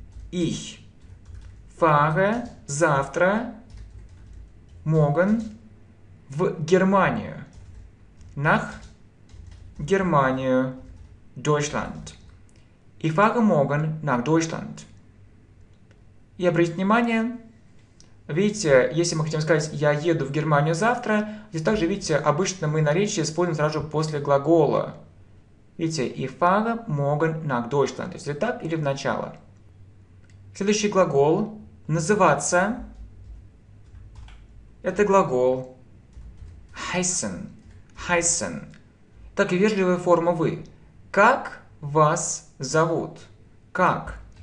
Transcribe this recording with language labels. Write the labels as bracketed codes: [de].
[de] Ich fahre [ru] завтра. [de] Morgen [ru] в Германию. [de] Nach [ru] Германию. [de] Deutschland. Ich fahre morgen nach Deutschland. [ru] И обратите внимание, видите, если мы хотим сказать «я еду в Германию завтра», здесь также, видите, обычно мы наречие используем сразу после глагола. Видите, [de] ich fahre morgen nach Deutschland. [ru] То есть это так или в начало. Следующий глагол «называться». Это глагол heißen. Так и вежливая форма «вы». Как вас зовут? Как?